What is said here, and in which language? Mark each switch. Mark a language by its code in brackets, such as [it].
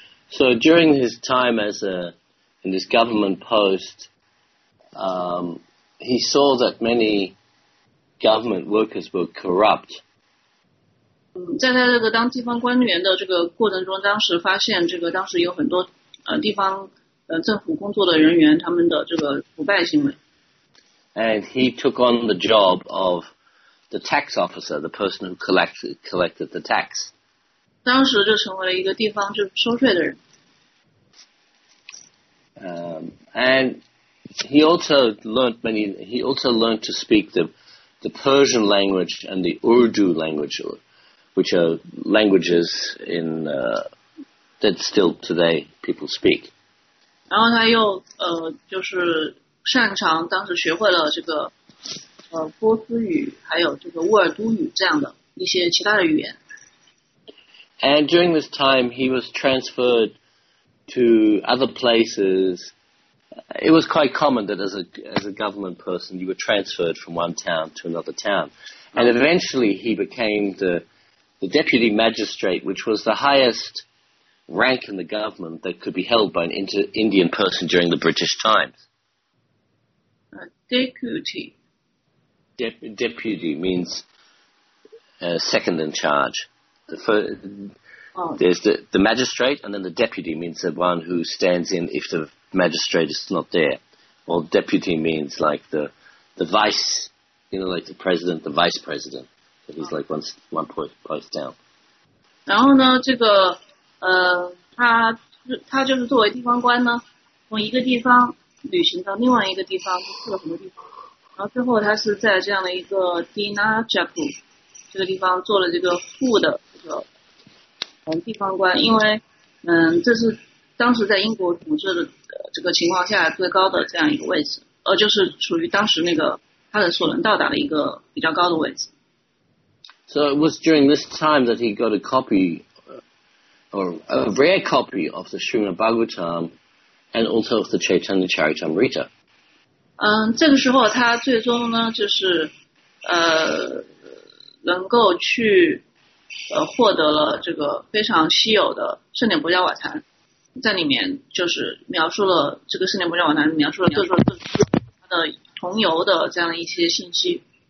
[en] So during his time in this government post, he saw that many government workers were corrupt. [zh] 在他这个当地方官员的这个过程中，当时发现这个当时有很多地方政府工作的人员他们的这个腐败行为。 [en] And he took on the job of the tax officer, the person who collected the tax. [zh] 当时就成为了一个地方就是收税的人。 [en] And he also learned to speak the Persian language and the Urdu language, which are languages in, that still today people speak. [zh] 然后他又就是擅长当时学会了这个波斯语还有这个乌尔都语这样的一些其他的语言。 [en] And during this time, he was transferred to other places. It was quite common that as a government person, you were transferred from one town to another town. And eventually, he became the deputy magistrate, which was the highest rank in the government that could be held by an Indian person during the British times. Deputy. Deputy means second in charge. There's the magistrate, and then the deputy means the one who stands in if the magistrate is not there. Or deputy means like the vice, you know, like the president, the vice president. He's like one post down. [zh] 然后呢，这个他就是作为地方官呢，从一个地方旅行到另外一个地方，去了很多地方。然后最后他是在这样的一个 Dinajapur 这个地方做了这个副的这个。地方官，因为这是当时在英国统治的这个情况下最高的这样一个位置，就是属于当时那个他的所能到达的一个比较高的位置。 [en] So it was during this time that he got a copy, or a rare copy of the Srimad Bhagavatam, and also of the Chaitanya Charitamrita. [zh] 这个时候他最终呢，就是能够去。获得了这个非常稀有的圣典薄伽瓦坛，在里面就是描述了这个圣典薄伽瓦坛，描述了各种的同游的这样一些信息。